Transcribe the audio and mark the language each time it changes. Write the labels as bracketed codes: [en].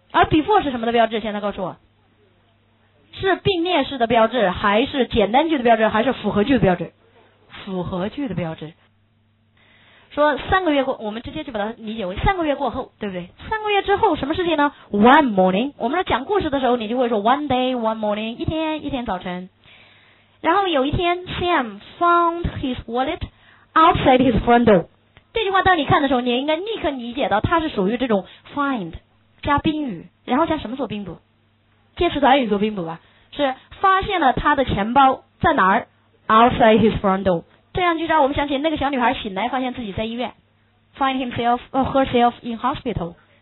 [zh] 而 before 是什么的标志？现在告诉我，是并列式的标志，还是简单句的标志，还是复合句的标志？复合句的标志。说三个月过，我们直接就把它理解为三个月过后，对不对？三个月之后什么事情呢？One morning， 我们说讲故事的时候你就会说 [en] One day one morning， [zh] 一天一天早晨。然后有一天 [en] Sam found his wallet outside his front door。 [zh] 这句话当你看的时候你应该立刻理解到它是属于这种 find 加宾语，然后加什么做宾补？介词短语做宾补吧。是发现了他的钱包在哪儿？ [en] outside his front door。 [zh] 这样就让我们想起那个小女孩醒来发现自己在医院， [en] find himself or herself in hospital。